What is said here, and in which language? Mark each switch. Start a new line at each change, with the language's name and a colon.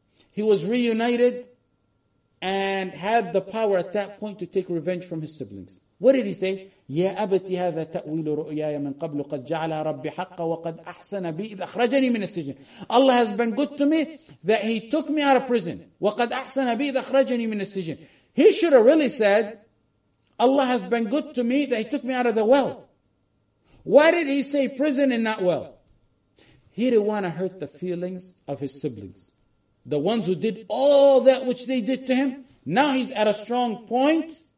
English: He was reunited and had the power at that point to take revenge from his siblings. What did he say?
Arabic: يَا أَبَتِ هَذَا تَأْوِيلُ رُؤْيَايَ مِنْ قَبْلُ قَدْ جَعْلَ رَبِّ حَقَّ وَقَدْ أَحْسَنَ بِي إِذْ أَخْرَجَنِي مِنَ السِّجْنِ.
English: Allah has been good to me that He took me out of prison.
Arabic: وَقَدْ أَحْسَنَ بِي إِذْ أَخْرَجَنِي مِنَ السِّجْنِ.
English: He should have really said, Allah has been good to me that He took me out of the well. Why did he say prison and not well? He didn't want to hurt the feelings of his siblings. The ones who did all that which they did to him. Now he's at a strong point.